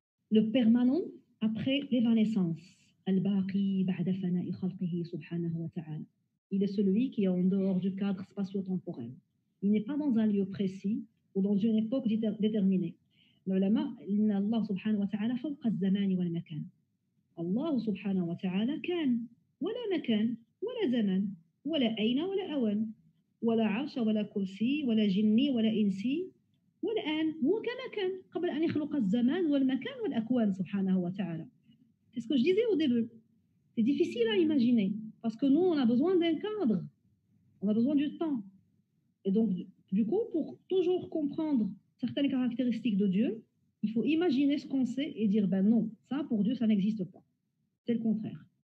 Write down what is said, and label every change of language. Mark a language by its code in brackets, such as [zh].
[fr] le permanent après l'évanescence. [ar] الباقي بعد فناء خلقه سبحانه وتعالى. [fr] il est celui qui est en dehors du cadre spatio-temporel. il n'est pas dans un lieu précis ou dans une époque déterminée. [ar] العلماء إن الله سبحانه وتعالى فوق الزمان والمكان. الله سبحانه وتعالى كان ولا مكان ولا زمن ولا أين ولا أوان ولا عرش ولا كرسي ولا جني ولا إنسي. والآن هو كما كان قبل أن يخلق الزمان والمكان والأكوان سبحانه وتعالى. [fr] C'est ce que je disais au début. C'est difficile à imaginer parce que nous, on a besoin d'un cadre. On a besoin du temps. Et donc, du coup, pour toujours comprendre certaines caractéristiques de Dieu, il faut imaginer ce qu'on sait et dire, ben non, ça, pour Dieu, ça n'existe pas. C'est le contraire.